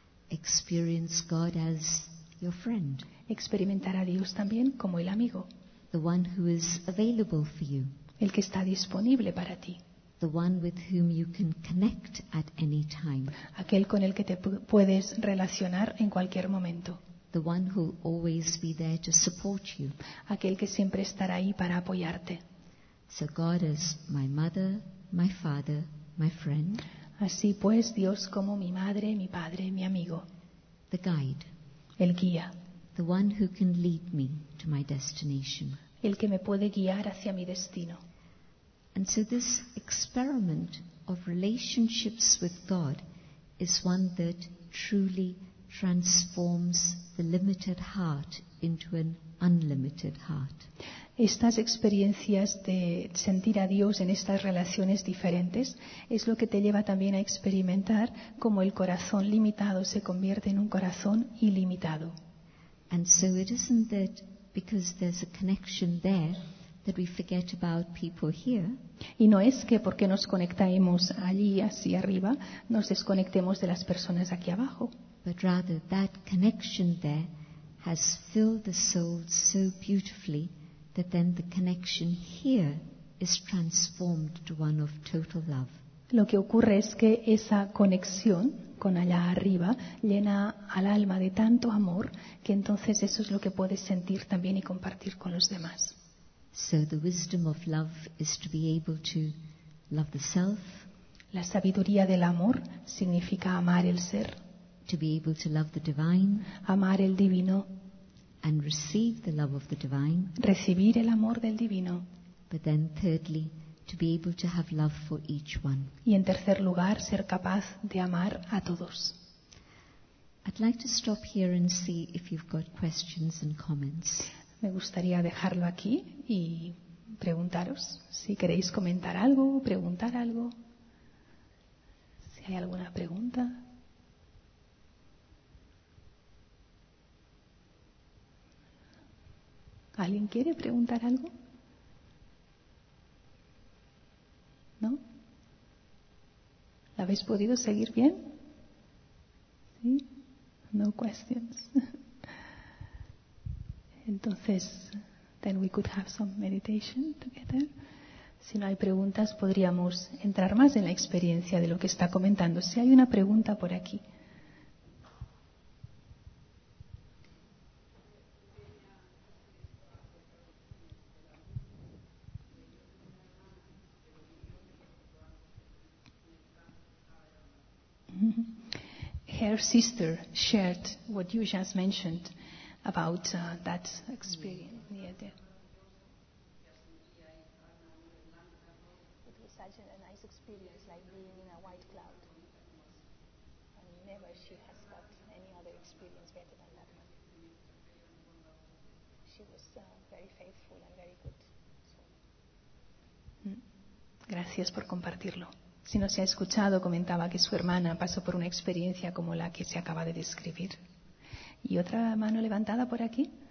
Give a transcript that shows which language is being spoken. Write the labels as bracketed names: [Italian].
[English] Experience God as your friend. [Spanish] Experimentar a Dios también como el amigo. [English] The one who is available for you. [Spanish] El que está disponible para ti. [English] The one with whom you can connect at any time. [Spanish] Aquel con el que te puedes relacionar en cualquier momento. [English] The one who will always be there to support you. [Spanish] Aquel que siempre estará ahí para apoyarte. [English] So God is my mother, my father, my friend. [Spanish] Así pues, Dios como mi madre, mi padre, mi amigo. [English] The guide. [Spanish] El guía. [English] The one who can lead me to my destination. [Spanish] El que me puede guiar hacia mi destino. [English] And so this experiment of relationships with God is one that truly transforms the limited heart into an unlimited heart. [Spanish] Estas experiencias de sentir a Dios en estas relaciones diferentes es lo que te lleva también a experimentar cómo el corazón limitado se convierte en un corazón ilimitado. [English] And so it isn't that because there's a connection there that we forget about people here. [Spanish] Y no es que porque nos conectamos allí hacia arriba nos desconectemos de las personas aquí abajo. [English] But rather that connection there has filled the soul so beautifully that then the connection here is transformed to one of total love. [Spanish] Lo que ocurre es que esa conexión con allá arriba llena al alma de tanto amor que entonces eso es lo que puedes sentir también y compartir con los demás. [English] So the wisdom of love is to be able to love the self. [Spanish] La sabiduría del amor significa amar el ser. [English] to be able to love the divine, [Spanish] amar el divino, [English] and receive the love of the divine, [Spanish] recibir el amor del divino. [English] But then thirdly, to be able to have love for each one. [Spanish] Y en tercer lugar, ser capaz de amar a todos. [English] I'd like to stop here and see if you've got questions and comments. [Spanish] Me gustaría dejarlo aquí y preguntaros si queréis comentar algo, preguntar algo. Si hay alguna pregunta. ¿Alguien quiere preguntar algo? ¿No? ¿La habéis podido seguir bien? ¿Sí? [English] No questions. [Spanish] Entonces, [English] then we could have some meditation together. [Spanish] Si no hay preguntas, podríamos entrar más en la experiencia de lo que está comentando. Si hay una pregunta por aquí. [English] Her sister shared what you just mentioned about that experience. Yeah, there. It was such a nice experience, like being in a white cloud. And never she has got any other experience better than that one. She was very faithful and very good. So. [Spanish] Gracias por compartirlo. Si no se ha escuchado, comentaba que su hermana pasó por una experiencia como la que se acaba de describir. ¿Y otra mano levantada por aquí?